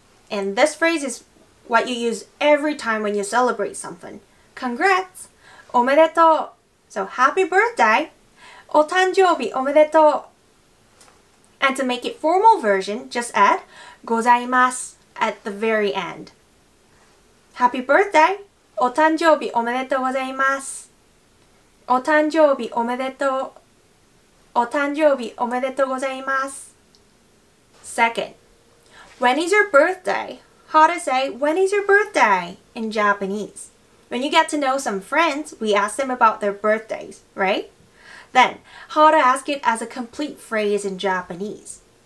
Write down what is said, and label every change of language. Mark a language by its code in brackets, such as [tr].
[en] And this phrase is what you use every time when you celebrate something. Congrats. [ja] おめでとう. [en] So happy birthday. [ja] お誕生日 おめでとう. [en] And to make it formal version, just add ございます at the very end. Happy birthday. [ja] お誕生日 おめでとう ございます.お誕生日 おめでとう. お誕生日 おめでとう ございます. [en] Second, when is your birthday? How to say when is your birthday in Japanese? When you get to know some friends, we ask them about their birthdays, right? Then, how to ask it as a complete phrase in Japanese?